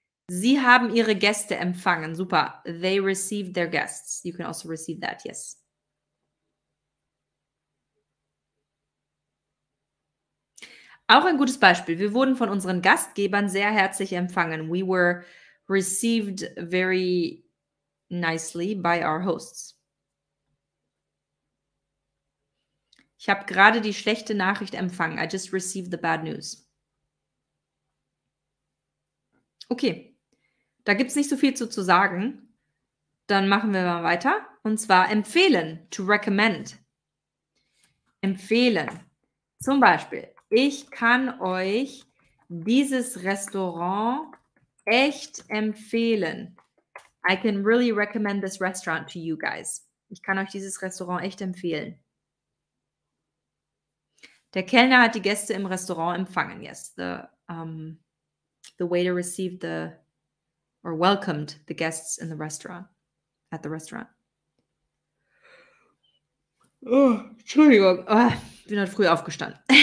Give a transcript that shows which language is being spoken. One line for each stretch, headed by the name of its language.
German: Sie haben ihre Gäste empfangen. Super.
English: They received their guests. You can also receive that, yes.
German: Auch ein gutes Beispiel. Wir wurden von unseren Gastgebern sehr herzlich empfangen.
English: We were received very nicely by our hosts.
German: Ich habe gerade die schlechte Nachricht empfangen.
English: I just received the bad news.
German: Okay, da gibt es nicht so viel zu sagen. Dann machen wir mal weiter. Und zwar empfehlen, to recommend. Empfehlen. Zum Beispiel, ich kann euch dieses Restaurant echt empfehlen.
English: I can really recommend this restaurant to you guys.
German: Ich kann euch dieses Restaurant echt empfehlen. Der Kellner hat die Gäste im Restaurant empfangen.
English: Yes, the waiter received the or welcomed the guests in the restaurant, at the restaurant.
German: Oh, Entschuldigung, oh, ich bin halt früh aufgestanden.